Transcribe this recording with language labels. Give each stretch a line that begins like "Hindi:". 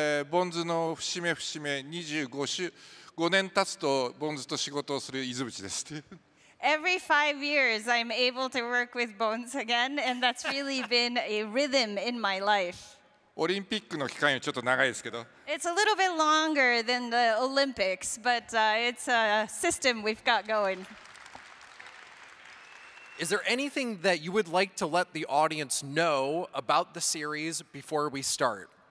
Japanese: Bones の節目節目25周、5年経つと Bones と仕事をする Izubuchi です。
English: Every 5 years, I'm able to work with Bones again, and that's really been a rhythm in my life.
Japanese: オリンピックの期間はちょっと長いですけど。
English: It's a little bit longer than the Olympics, but it's a system we've got going. Is there anything that you would like to let the audience know about the series before we start?